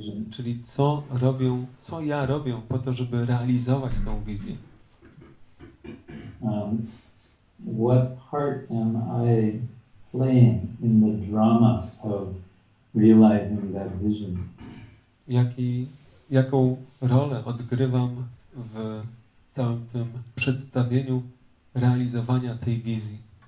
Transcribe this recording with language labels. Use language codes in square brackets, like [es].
[pl] Czyli co robię, co ja robię po to, żeby realizować tą wizję? [en] What part am I playing in the drama of realizing that vision? [pl] Jaką rolę odgrywam w całym tym przedstawieniu realizowania tej wizji?